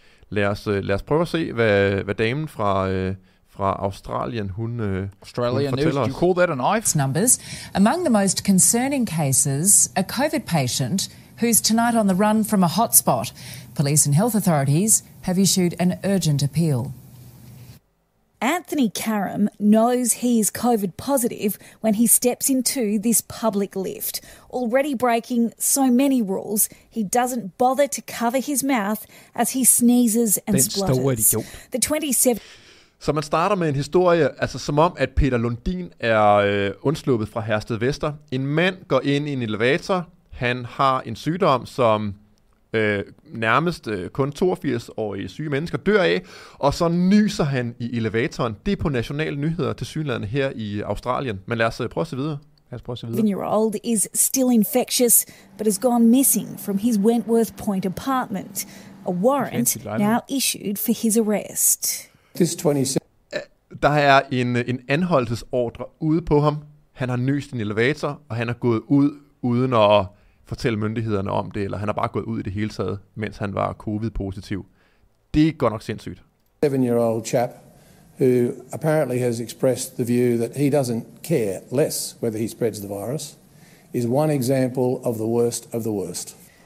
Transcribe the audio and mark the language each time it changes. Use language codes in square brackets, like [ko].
[da] Lad os prøve at se, hvad damen fra... fra Australien, [en] Australia News, do you call that a knife? Numbers. Among the most concerning cases, a COVID patient who's tonight on the run from a hotspot. Police and health authorities have issued an urgent appeal. Anthony Karam knows he is COVID positive when he steps into this public lift, already breaking so many rules, he doesn't bother to cover his mouth as he sneezes and splutters. The 27... [da] Så man starter med en historie, altså som om, at Peter Lundin er undsluppet fra Hersted Vester. En mand går ind i en elevator. Han har en sygdom, som nærmest kun 82-årige syge mennesker dør af. Og så nyser han i elevatoren. Det er på nationale nyheder til synlædende her i Australien. Men lad os prøve at se videre. [en] Vineyard is still infectious, but has gone missing from his Wentworth Point apartment. A warrant now issued for his arrest. [da] Der er en anholdelsesordre ude på ham. Han har nyst en elevator, og han er gået ud uden at fortælle myndighederne om det, eller han har bare gået ud i det hele taget, mens han var covid-positiv. Det er godt nok sindssygt. [en] 7-year-old chap who apparently has expressed the view that he doesn't care less whether he spreads the virus is one example of the worst of the worst.